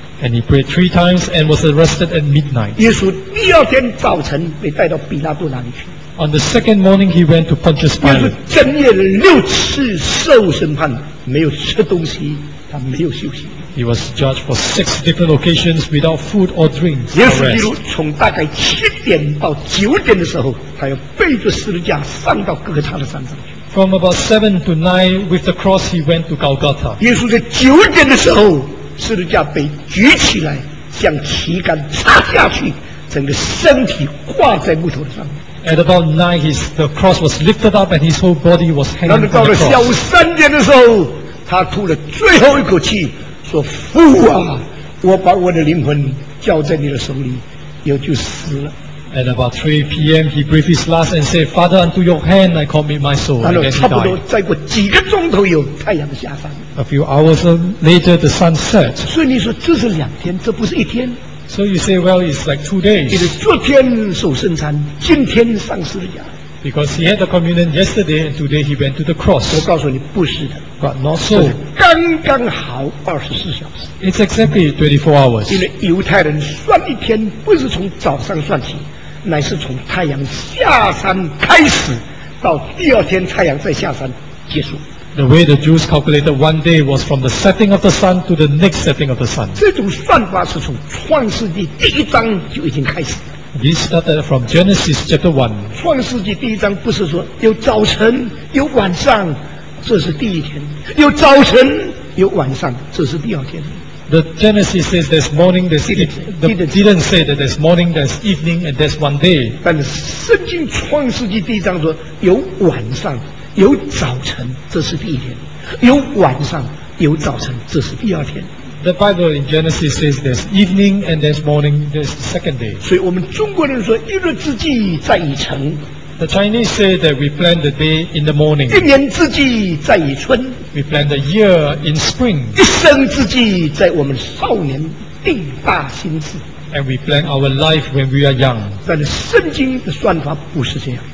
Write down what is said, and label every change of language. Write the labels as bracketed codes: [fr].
[en] And he prayed three times and was arrested at midnight. [zh] 耶稣第二天早晨被带到比拉多那里去。 [en] On the second morning, he went to Pontius Pilate. [zh] 耶稣整夜六次受审判，没有吃东西，他没有休息。 [en] He was judged for six different occasions without food or drink. [zh] 耶稣基督从大概七点到九点的时候，他要背着十字架上到哥哥他的山上去。 [en] From about 7 to 9, with the cross, he went to Golgotha. [zh] 耶稣在九点的时候。十字架被举起来，像旗杆插下去，整个身体挂在木头上。 [en] At about 9, the cross was lifted up and his whole body was hanging on the cross. [zh] 然后到了下午三点的时候，他吐了最后一口气，说：“父啊，我把我的灵魂交在你的手里，也就死了。” [en] At about 3 p.m. he breathed his last and said, Father, unto your hand I commit my soul. And then he died. [zh] 差不多再过几个钟头有太阳的下山。 [en] A few hours later, the sun set. [zh] 所以你说这是两天，这不是一天。 [en] So you say, well, it's like 2 days. [zh] 因为昨天守圣餐，今天上十字架。 [en] Because he had the communion yesterday and today he went to the cross. [zh] 我告诉你不是的。 [en] But not so. [zh] 刚刚好24小时。 [en] It's exactly 24 hours. [zh] 因为犹太人算一天不是从早上算起，乃是从太阳下山开始，到第二天太阳再下山结束。 [en] The way the Jews calculated one day was from the setting of the sun to the next setting of the sun. [zh] 这种算法是从创世纪第一章就已经开始。 [en] This started from Genesis chapter 1. [zh] 创世纪第一章不是说有早晨有晚上，这是第一天；有早晨有晚上，这是第二天。 [en] The Genesis says there's morning, there's evening. Didn't say that there's morning, there's evening, and there's one day. [zh] 但圣经创世纪第一章说有晚上，有早晨，这是第一天；有晚上，有早晨，这是第二天。 [en] The Bible in Genesis says there's evening and there's morning, there's the second day. [zh] 所以我们中国人说一日之计在于晨。 [en] The Chinese say that we plan the day in the morning. [zh] 一年之计在于春。 [en] We plan the year in spring. [zh] 一生之计在我们少年定大心志。 [en] And we plan our life when we are young. [zh] 但圣经的算法不是这样。